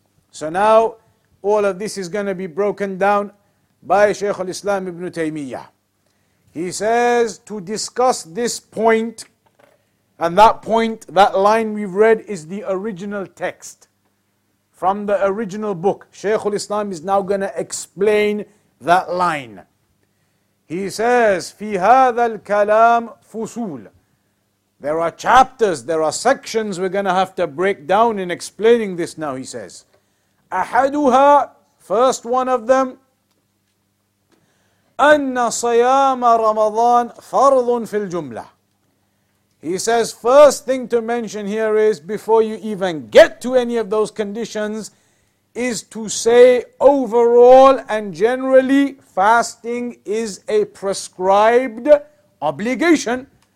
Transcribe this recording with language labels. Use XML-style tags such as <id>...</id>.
<en>So now, all of this is going to be broken down by Shaykh al-Islam ibn Taymiyyah. He says, to discuss this point, and that point, that line we've read, is the original text from the original book. Shaykh al-Islam is now going to explain that line. He says,</en> <ar>في هذا الكلام فصول.</ar> <en>There are chapters, there are sections we're going to have to break down in explaining this now, he says.</en> <ar>أحدها,</ar> <en>first one of them,</en> <ar>أن صيام رمضان فرض في الجملة.</ar> <en>He says, first thing to mention here is, before you even get to any of those conditions, is to say overall and generally, fasting is a prescribed obligation.</en>